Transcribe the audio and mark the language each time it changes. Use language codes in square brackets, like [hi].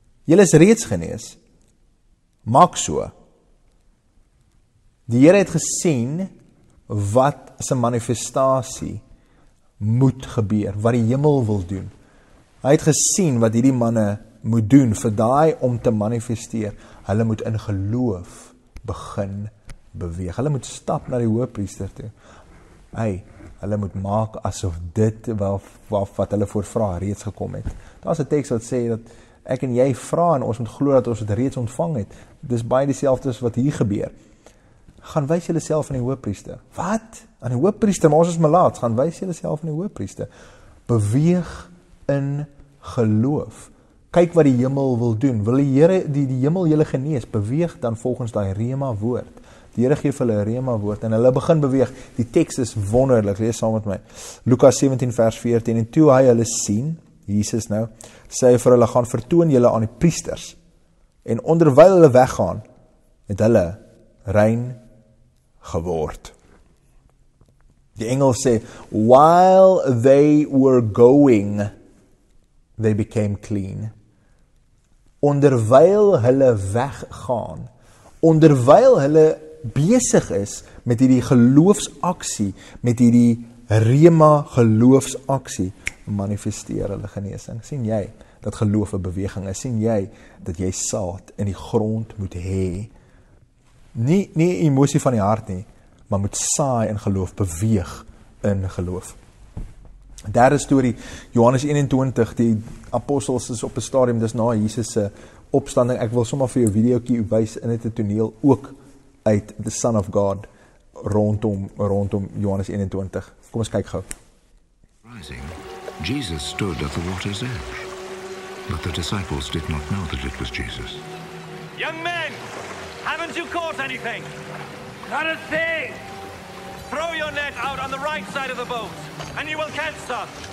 [af] Julle is reeds genees. Maak so. Die Here het gesien wat sy manifestasie moet gebeur, wat die hemel wil doen. Hy het gesien wat hierdie manne moet doen vir daai om te manifesteer. Hulle moet in geloof begin beweeg. Hulle moet stap na die hoëpriester toe. Hulle moet maak asof dit wat hulle voor vra reeds gekom het. Daar is 'n teks wat sê dat ek en jy vra en ons moet glo dat ons het reeds ontvang het. Dis baie dieselfde as wat hier gebeur. gaan wys jouself aan die hoofpriester. Wat? Aan die hoofpriester, maar ons is melaat. Gaan wys jouself aan die hoofpriester. Beweeg in geloof. Kyk wat die hemel wil doen. Wil die Here die hemel julle genees, beweeg dan volgens daai rema woord. Die Here gee vir hulle 'n rema woord en hulle begin beweeg. Die teks is wonderlik, lees saam met my. Lukas 17 vers 14 en toe hy hulle sien, Jesus nou, sê hy vir hulle gaan vertoon julle aan die priesters. En onderwyl hulle weggaan, het hulle rein geword. Die engel sê, [en] while they were going, they became clean. [af] Onderwyl hulle weggaan, onderwyl hulle besig is met hierdie geloofsaksie, met hierdie rema geloofsaksie, manifesteer hulle genesing. Sien jy, dat geloof 'n beweging is. Sien jy, dat jy saad in die grond moet hê. Nie emosie van die hart nie, maar moet saai in geloof, beweeg in geloof. Derde storie, Johannes 21, die apostels is op 'n stadium, dis na Jesus se opstanding. Ek wil sommer vir jou videoetjie wys in dit 'n toneel ook uit the Son of God rondom Johannes 21. Kom ons kyk gou. [en] Rising, Jesus stood at the water's edge, but the disciples did not know that it was Jesus. Young men, haven't you caught anything? Not a thing. Throw your net out on the right side of the boat, and you will catch some.